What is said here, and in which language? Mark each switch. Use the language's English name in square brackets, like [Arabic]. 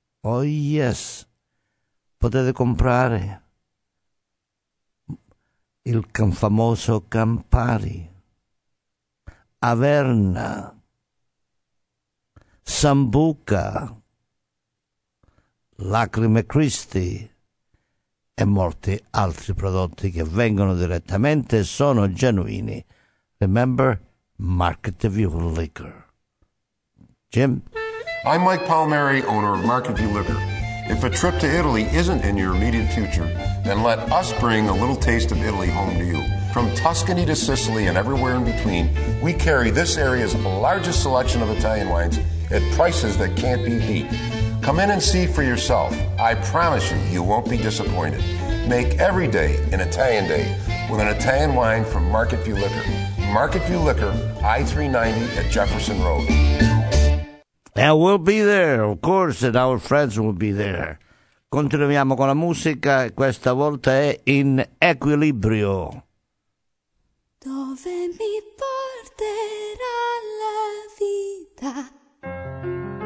[Italian] Oh yes, potete comprare il famoso Campari, Averna, Sambuca, Lacrime Christi e molti altri prodotti che vengono direttamente e sono genuini. [English] Remember, Market View Liquor. Jim? I'm Mike Palmieri, owner of Market View Liquor. If a trip to Italy isn't in your immediate future, then let us bring a little taste of Italy home to you. From Tuscany to Sicily and everywhere in between, we carry this area's largest selection of Italian wines at prices that can't be beat. Come in and see for yourself. I promise you, you won't be disappointed. Make every day an Italian day with an Italian wine from Market View Liquor. Market View Liquor, I-390 at Jefferson Road. And we'll be there, of course, and our friends will be there. [Italian] Continuiamo con la musica, questa volta è In Equilibrio. Dove mi porterà la vita?